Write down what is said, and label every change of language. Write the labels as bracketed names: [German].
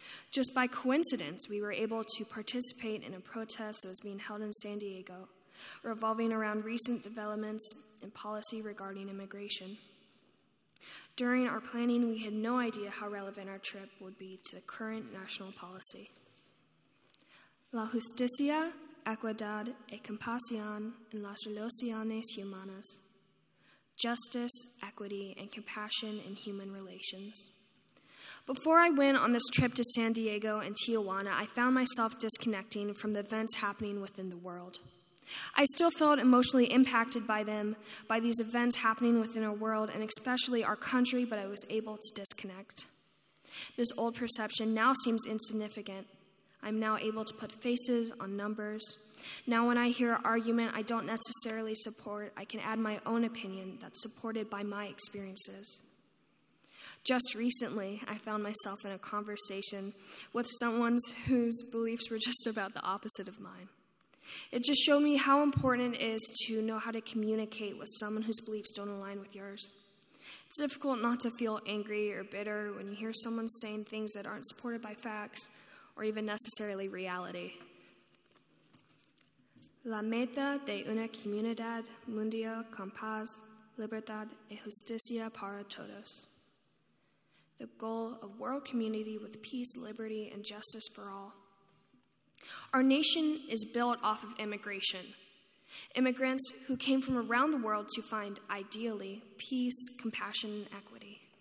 [English] Just by coincidence, we were able to participate in a protest that was being held in San Diego, revolving around recent developments and policy regarding immigration. During our planning, we had no idea how relevant our trip would be to the current national policy. [Spanish] La justicia, equidad y compasión en las relaciones humanas. [English] Justice, equity, and compassion in human relations. Before I went on this trip to San Diego and Tijuana, I found myself disconnecting from the events happening within the world. I still felt emotionally impacted by them, by these events happening within our world, and especially our country, but I was able to disconnect. This old perception now seems insignificant. I'm now able to put faces on numbers. Now when I hear an argument I don't necessarily support, I can add my own opinion that's supported by my experiences. Just recently, I found myself in a conversation with someone whose beliefs were just about the opposite of mine. It just showed me how important it is to know how to communicate with someone whose beliefs don't align with yours. It's difficult not to feel angry or bitter when you hear someone saying things that aren't supported by facts or even necessarily reality. [Spanish] La meta de una comunidad mundial con paz, libertad y justicia para todos. [English] The goal of world community with peace, liberty, and justice for all. Our nation is built off of immigration. Immigrants who came from around the world to find, ideally, peace, compassion, and equity.